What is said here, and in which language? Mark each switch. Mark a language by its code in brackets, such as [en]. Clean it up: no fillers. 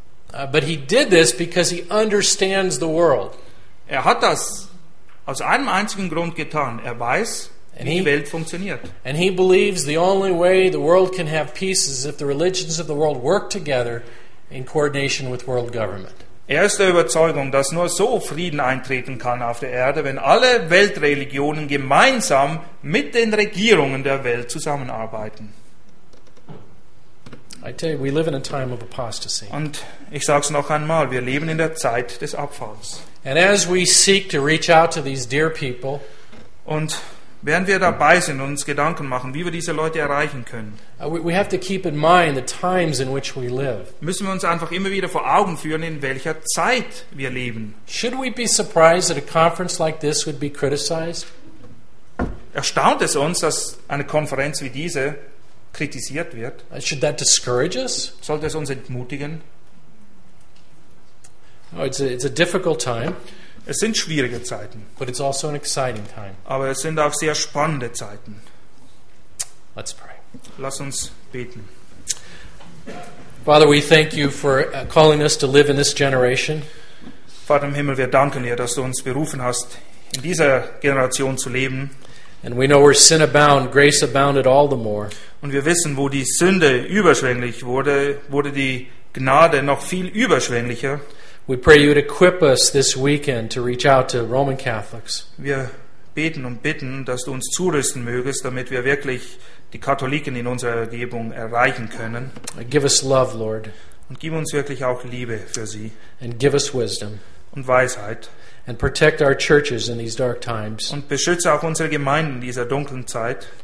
[en] But he did this because he understands the world. [de] Er hat das aus einem einzigen Grund getan. Er weiß, [en] and [de] wie die Welt funktioniert. [en] And he believes the only way the world can have peace is if the religions of the world work together in coordination with world government. [de] Er ist der Überzeugung, dass nur so Frieden eintreten kann auf der Erde, wenn alle Weltreligionen gemeinsam mit den Regierungen der Welt zusammenarbeiten. [en] I tell you, we live in a time of apostasy. [de] Und ich sage es noch einmal, wir leben in der Zeit des Abfalls. [en] And as we seek to reach out to these dear people, [de] und während wir dabei sind und uns Gedanken machen, wie wir diese Leute erreichen können, müssen wir uns einfach immer wieder vor Augen führen, in welcher Zeit wir leben. [en] Should we be surprised that a conference like this would be criticized? [de] Erstaunt es uns, dass eine Konferenz wie diese kritisiert wird? [en] Should that discourage us? [de] Sollte es uns entmutigen? [en] Oh, it's a difficult time. [de] Es sind schwierige Zeiten. [en] But it's also an exciting time. [de] Aber es sind auch sehr spannende Zeiten. [en] Let's pray. [de] Lass uns beten. [en] Father, we thank you for calling us to live in this generation. [de] Vater im Himmel, wir danken dir, dass du uns berufen hast, in dieser Generation zu leben. [en] And we know where sin abound, grace abounded all the more. [de] Und wir wissen, wo die Sünde überschwänglich wurde, wurde die Gnade noch viel überschwänglicher. [en] We pray you'd equip us this weekend to reach out to Roman Catholics. [de] Wir beten und bitten, dass du uns zurüsten mögest, damit wir wirklich die Katholiken in unserer Umgebung erreichen können. [en] Give us love, Lord. [de] Und gib uns wirklich auch Liebe für sie. [en] And give us wisdom. [de] Und Weisheit. [en] And protect our churches in these dark times. [de] Und beschütze auch unsere Gemeinden in dieser dunklen Zeit.